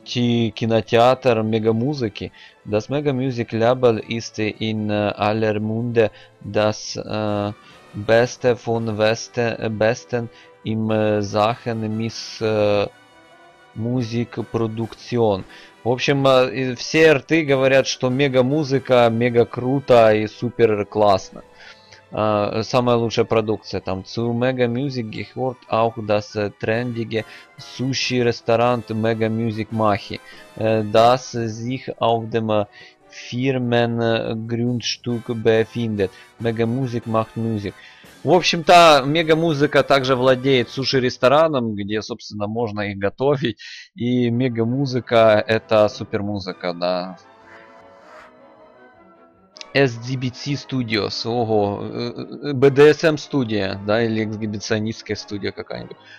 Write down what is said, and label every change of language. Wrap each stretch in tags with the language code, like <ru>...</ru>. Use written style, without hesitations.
<ru>Мультикинотеатр мегамузыки.</ru> <de>Das Mega Music Label ist in aller Munde, das beste von besten im Sachen Miss Music Produktion.</de> <ru>В общем, все рты говорят, что мегамузыка мега круто и супер классно. Самая лучшая продукция там.</ru> <de>Zu Mega Music gehört auch das trendige Sushi-Restaurant Mega Music Machi, das sich auf dem Firmengrundstück befindet. Mega Music macht Musik.</de> <ru>В общем-то, Mega Music также владеет суши-рестораном, где, собственно, можно их готовить. И Mega Music – это супермузыка, да. SDBC Studios, ого, BDSM студия, да, или эксгибиционистская студия какая-нибудь.</ru>